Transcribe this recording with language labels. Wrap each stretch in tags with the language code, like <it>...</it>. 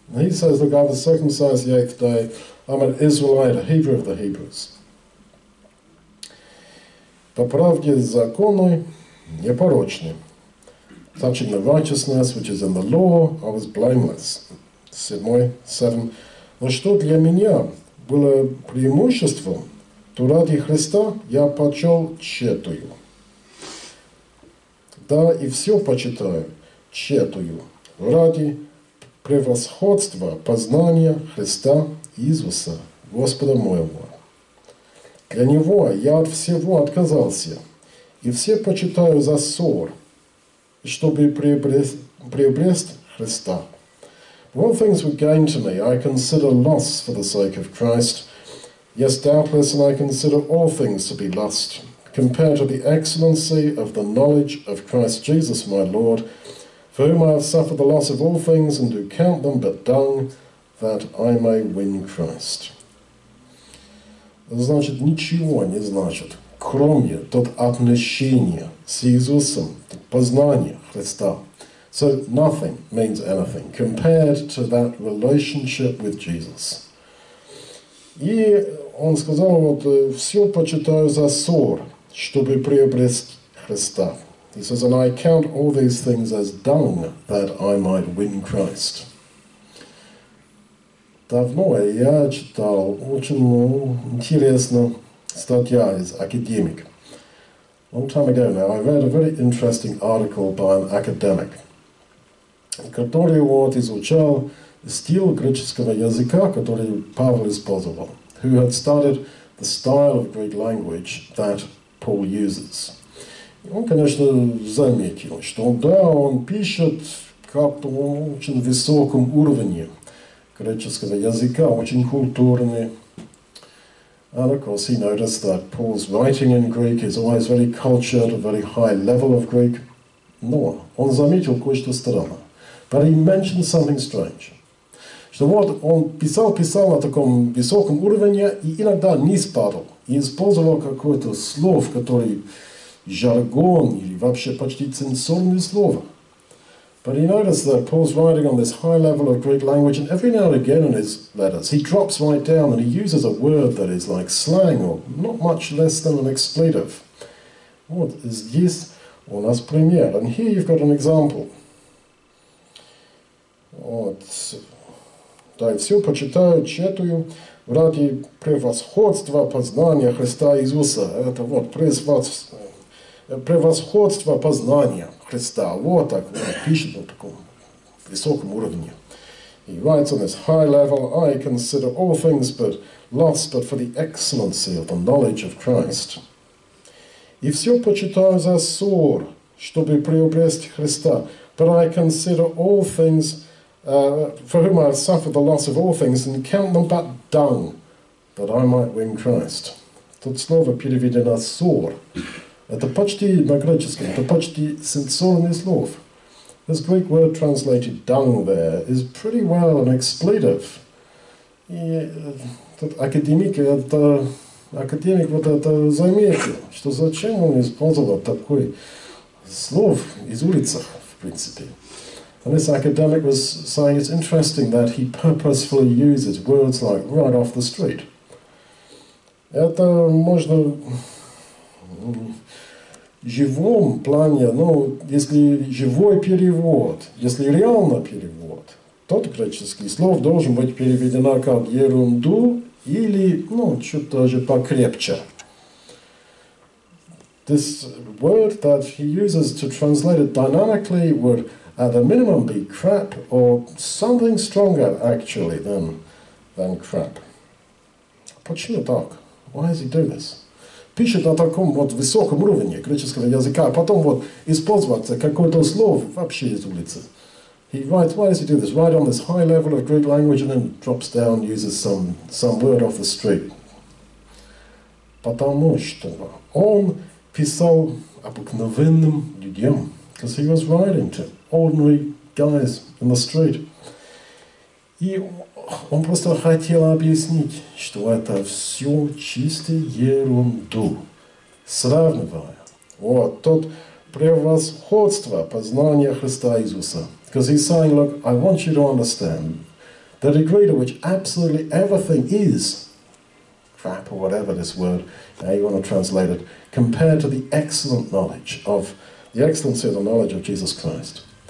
<en>He says, look, I was circumcised the 8th day. I'm an Israelite, a Hebrew of the Hebrews.</en> <ru>По правде законной, непорочной.</ru> <en>Touching the righteousness, which is in the law, I was blameless. 7.</en> <ru>Но что для меня было преимуществом, то ради Христа я почел тщетою. Да, и все почитаю тщетою ради превосходства познания Христа Иисуса, Господа моего. Для Него я от всего отказался, и все почитаю за ссор, чтобы приобрести Христа.</ru> <en>All things were gained to me, I consider loss for the sake of Christ. Yes, doubtless, and I consider all things to be lust, compared to the excellency of the knowledge of Christ Jesus my Lord, for whom I have suffered the loss of all things, and do count them but dung, that I may win Christ.</en> <ru>Значит, ничего не значит, кроме тот отношения с Иисусом, познания Христа.</ru> <en>So nothing means anything compared to that relationship with Jesus.</en> <ru>И он сказал, вот, все почитаю за ссор, чтобы приобрести Христа.</ru> <en>He says, and I count all these things as dung that I might win Christ.</en> <ru>Давно я читал очень интересную статью из академик.</ru> <en>Long time ago now, I read a very interesting article by an academic,</en> <ru>который вот изучал стиль греческого языка, который Павел использовал,</ru> <en>who had studied the style of Greek language that Paul uses.</en> <ru>И он, конечно, заметил, что да, он пишет как-то в очень высоком уровне греческого языка, очень культурный.</ru> <en>And of course, he noticed that Paul's writing in Greek is always very cultured, a very high level of Greek.</en> <ru>Но он заметил кое-что странное.</ru> <en>But he mentioned something strange.</en> <ru>Что вот он писал на таком высоком уровне и иногда не спадал. И использовал какое-то слово, которое жаргон или вообще почти цензурное слово.</ru> <en>But he noticed that Paul's writing on this high level of Greek language, and every now and again in his letters, he drops right down and he uses a word that is like slang or not much less than an expletive.</en> <ru>Вот здесь у нас пример.</ru> <en>And here you've got an example.</en> <ru>Вот. Да, и все почитаю, читаю ради превосходства познания Христа Иисуса. Это вот превосходство познания Христа. Вот так вот, пишет на таком высоком уровне.</ru> <en>He writes on this high level, I consider all things but lost, but for the excellency of the knowledge of Christ.</en> <ru>И все почитаю за ссор, чтобы приобрести Христа.</ru> <en>But I consider all things for whom I have suffered the loss of all things, and count them but dung, that I might win Christ.</en> <ru>Тут слово переведено «сор». Это почти на греческом, это почти сенсорное слово.</ru> <en>This Greek word translated «dung» there is pretty well an expletive.</en> <ru>И тут академик вот это заметил, что зачем он использовал такое слово из улицы, в принципе.</ru> <en>And this academic was saying it's interesting that he purposefully uses words like right off the street.</en> <ru>Это можно в живом плане, ну, если живой перевод, если реально перевод, тот греческий слов должен быть переведено как ерунду или, ну, чуть даже покрепче.</ru> <en>This word that he uses to translate it dynamically would at the minimum be crap or something stronger actually than crap.</en> <ru>Почему так?</ru> <en>Why does he do this?</en> <ru>Пишет на таком вот высоком уровне греческого языка, а потом вот использовать какое-то слово вообще из улицы.</ru> <en>He writes, why does he do this? Right on this high level of Greek language and then drops down, uses some word off the street.</en> <ru>Потому что он писал обыкновенным людям,</ru> <en>because he was writing to ordinary guys in the street.</en> <ru>И он просто хотел объяснить, что это все чистую ерунду, сравнивая вот тот превосходство познания Христа Иисуса.</ru> <en>Because he's saying, look, I want you to understand the degree to which absolutely everything is crap or whatever this word, how you want to translate it, compared to the excellent knowledge of the excellency of the knowledge of Jesus Christ.</en>